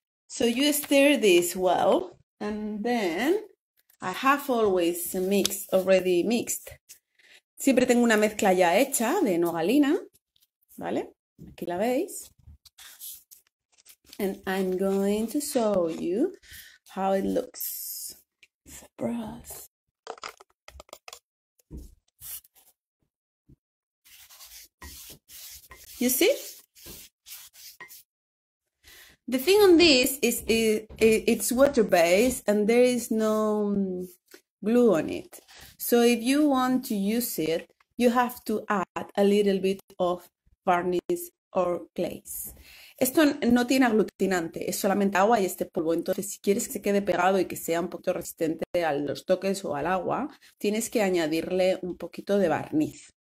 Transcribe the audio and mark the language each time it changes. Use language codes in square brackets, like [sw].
[en] So you stir this well, and then I have always a mix already mixed. [es] Siempre tengo una mezcla ya hecha de nogalina, ¿vale? Aquí la veis. [en] And I'm going to show you how it looks. It's a brush. You see? The thing on this is it's water-based and there is no glue on it. So if you want to use it, you have to add a little bit of varnish or glaze. [es] Esto no tiene aglutinante, es solamente agua y este polvo. Entonces, si quieres que se quede pegado y que sea un poquito resistente a los toques o al agua, tienes que añadirle un poquito de barniz.